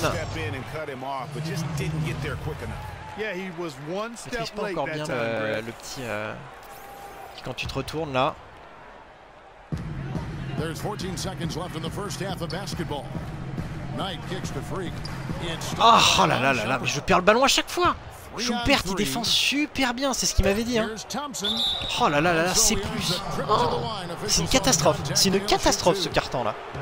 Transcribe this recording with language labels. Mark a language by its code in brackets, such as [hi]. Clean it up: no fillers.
[fr] Maîtrise pas encore bien le petit quand tu te retournes là. [en] There's 14 seconds left in the first half of basketball. [fr] Oh là là là là, mais je perds le ballon à chaque fois. Schumpert, il défend super bien, c'est ce qu'il m'avait dit. Hein. Oh là là là là, c'est plus. Oh, c'est une catastrophe. C'est une catastrophe ce carton là.